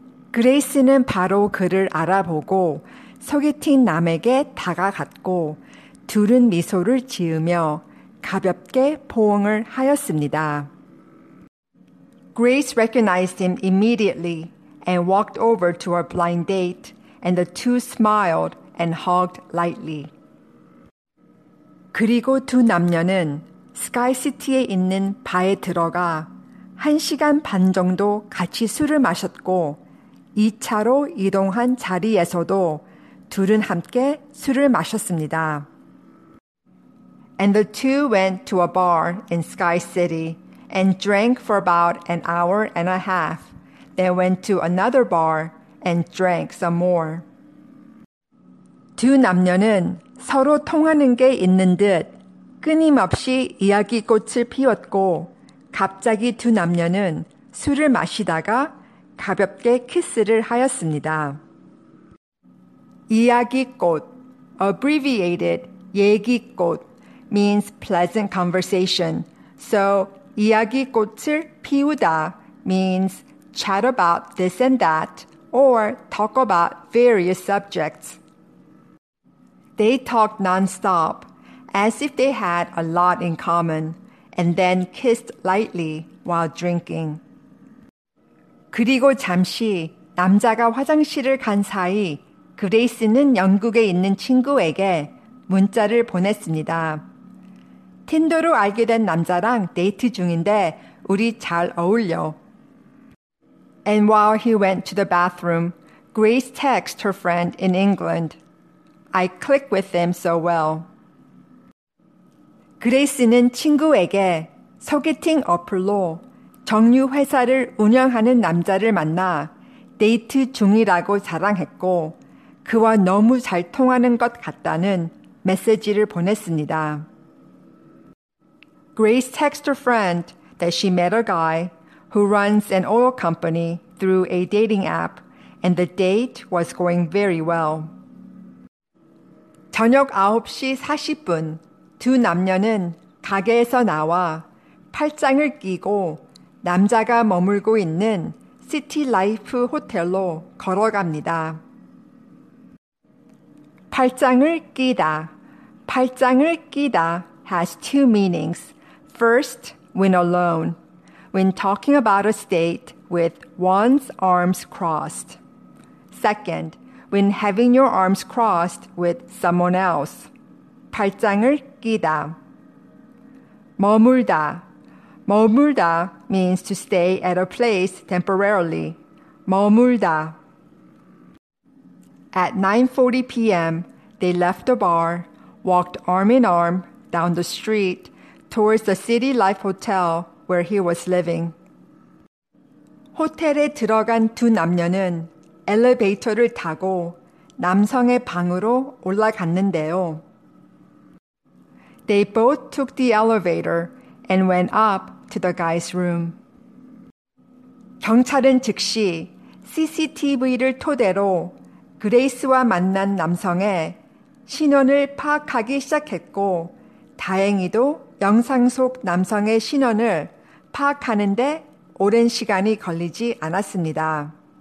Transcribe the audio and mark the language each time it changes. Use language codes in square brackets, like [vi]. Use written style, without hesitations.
[ko] Grace는 바로 그를 알아보고 소개팅 남에게 다가갔고 둘은 미소를 지으며 가볍게 포옹을 하였습니다. [en] Grace recognized him immediately and walked over to her blind date, and the two smiled and hugged lightly. [ko] 그리고 두 남녀는 스카이 시티에 있는 바에 들어가 한 시간 반 정도 같이 술을 마셨고 2차로 이동한 자리에서도 둘은 함께 술을 마셨습니다. [en] And the two went to a bar in Sky City and drank for about an hour and a half. They went to another bar and drank some more. [ko] 두 남녀는 서로 통하는 게 있는 듯 끊임없이 이야기꽃을 피웠고 갑자기 두 남녀는 술을 마시다가 가볍게 키스를 하였습니다. [en] 이야기꽃, abbreviated 얘기꽃, means pleasant conversation. So, [ko] 이야기꽃을 피우다 [en] means chat about this and that, or talk about various subjects. They talked nonstop, as if they had a lot in common, and then kissed lightly while drinking. [ko] 그리고 잠시 남자가 화장실을 간 사이 그레이스는 영국에 있는 친구에게 문자를 보냈습니다. 틴더로 알게 된 남자랑 데이트 중인데 우리 잘 어울려. [en] And while he went to the bathroom, Grace texted her friend in England. I click with them so well. [ko] Grace는 친구에게 소개팅 어플로 정류 회사를 운영하는 남자를 만나 데이트 중이라고 자랑했고 그와 너무 잘 통하는 것 같다는 메시지를 보냈습니다. [en] Grace texted her friend that she met a guy who runs an oil company through a dating app, and the date was going very well. [ko] 저녁 9시 40분, 두 남녀는 가게에서 나와 팔짱을 끼고 남자가 머물고 있는 시티 라이프 호텔로 걸어갑니다. 팔짱을 끼다, 팔짱을 끼다 [en] has two meanings. First, when alone, when talking about a state with one's arms crossed. Second, when having your arms crossed with someone else. [ko] 팔짱을 끼다. 머물다. [en] 머물다 means to stay at a place temporarily. 머물다. At 9:40 p.m., they left the bar, walked arm in arm down the street towards the City Life Hotel where he was living. [ko] 호텔에 들어간 두 남녀는 엘리베이터를 타고 남성의 방으로 올라갔는데요. [en] They both took the elevator and went up to the guy's room. [ko] 경찰은 즉시 CCTV를 토대로 그레이스와 만난 남성의 신원을 파악하기 시작했고 다행히도 영상 속 남성의 신원을 파악하는 데 오랜 시간이 걸리지 않았습니다.